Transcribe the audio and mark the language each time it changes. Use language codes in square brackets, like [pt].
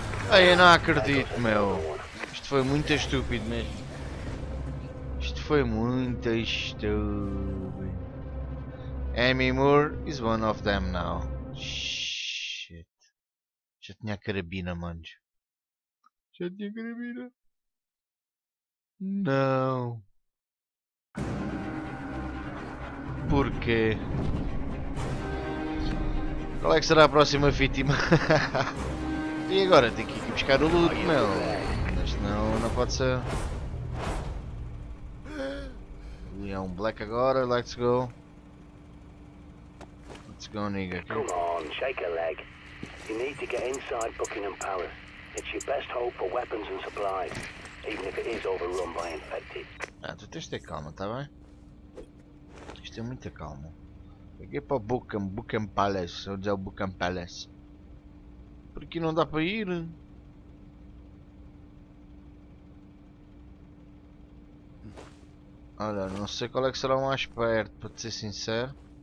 [pt] Ai, eu não acredito, meu. Isto foi muito estúpido mesmo. Isto foi muito estúpido. [en] Amy Moore is one of them now. Shit. [pt] Já tinha a carabina, manjo. Já tinha a carabina. Não. Porquê? Qual é que será a próxima vítima? E agora tem que ir buscar o loot, meu. Mas não, não pode ser. Ali é um black agora, [en] let's go. Let's go, nigga. Come on, shake a leg. You need to get inside Buckingham Palace. It's your best hope for weapons and supplies. Even if it is overrun by infected. [pt] Ah, tu tens de ter calma, tá bem? Tens de ter muita calma. Peguei para o Buckingham Palace. Vou dizer o Buckingham Palace. Porque não dá para ir? Olha, não sei qual é que será o mais perto, para te ser sincero.